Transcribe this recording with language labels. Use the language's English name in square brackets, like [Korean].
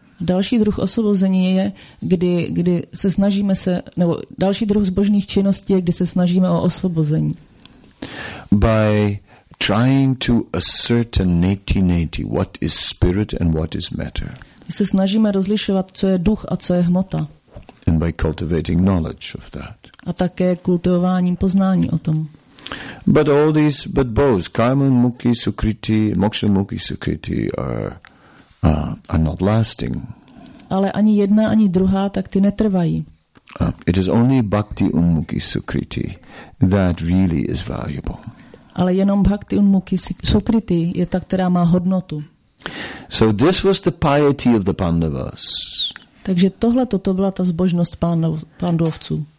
[Czech] Další druh osvobození je, kdy se snažíme se, nebo další druh zbožných činností je, kdy se snažíme o osvobození. [English] By trying to ascertain neti-neti, what is spirit and what is matter. [Czech] Se snažíme rozlišovat, co je duch a co je hmota. [English] And by cultivating knowledge of that. [Czech] A také kultivováním poznání o tom. [English] But all these, but both, karma mukhi sukriti, moksha mukhi sukriti are not lasting. [Czech] Ale ani jedna, ani druhá, tak ty netrvají. [English] It is only bhakti unmukhi sukriti that really is valuable. [Czech] Ale jenom bhakti unmukhi sukriti je ta, která má hodnotu. [English] So this was the piety of the Pandavas. [Czech] Takže tohle toto byla ta zbožnost pandovců.